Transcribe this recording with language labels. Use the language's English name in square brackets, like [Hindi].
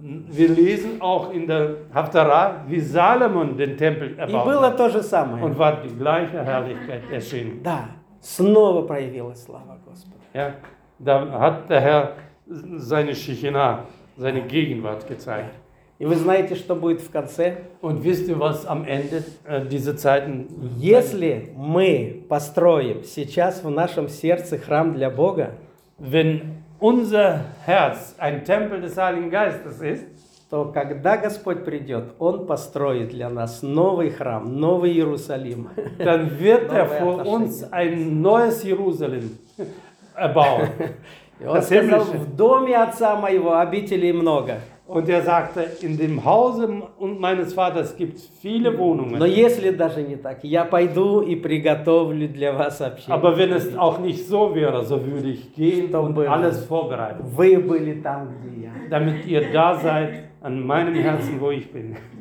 [German] Wir lesen auch in der Haftarah, wie Salomon den Tempel erbaut. [Russian] И было то же самое. [German] Und war die gleiche Herrlichkeit erschienen. [Russian] Да, снова проявилась слава Господа. [German] Ja, da hat der Herr seine Schichina, seine Gegenwart gezeigt. [Russian] И вы знаете, что будет в конце? [German] Und wisst ihr, was am Ende dieser Zeiten? [Russian] Если мы построим сейчас в нашем сердце храм для Бога, [German] wenn unser Herz ein Tempel des Heiligen Geistes ist, [Russian] то когда Господь придет, Он построит для нас новый храм, новый Иерусалим. [German] Dann wird er für uns ein neues Jerusalem erbauen. [Russian] Он сказал: в доме отца моего обителей много. [German] Und er sagte, in dem Hause meines Vaters gibt es viele Wohnungen. [Russian] Но если даже не так, я пойду и приготовлю для вас общение. [German] Aber wenn es auch nicht so wäre, so würde ich gehen und alles vorbereiten. [Russian] Вы были там, где я. [German] Damit ihr da seid, an meinem Herzen, wo ich bin.